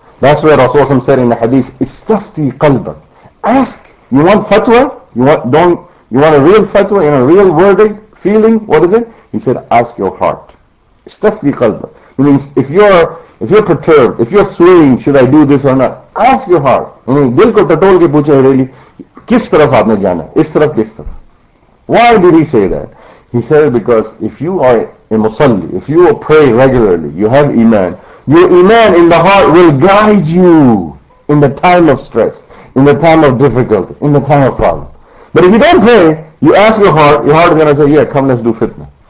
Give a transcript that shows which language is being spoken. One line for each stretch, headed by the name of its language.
English: That's where Rasulullah said in the hadith,
Arabic: "Istafti qalba."
English: Ask. You want fatwa? You want a real fatwa and a real verdict, feeling? What is it? He said, ask your heart.
Arabic: Istafti qalba.
English: Meaning, if you're perturbed, if you're swaying, should I do this or not? Ask your heart. Meaning,
Urdu: دل کو ٹٹول کے پوچھا
English: really,
Urdu: کس طرف آپ نے جانا؟ اس طرف، کس طرف؟
English: Why did he say that? He said, because if you are a musalli, if you pray regularly, you have iman, your iman in the heart will guide you in the time of stress, in the time of difficulty, in the time of problem. But if you don't pray, you ask your heart is going to say, yeah, come, let's do fitna.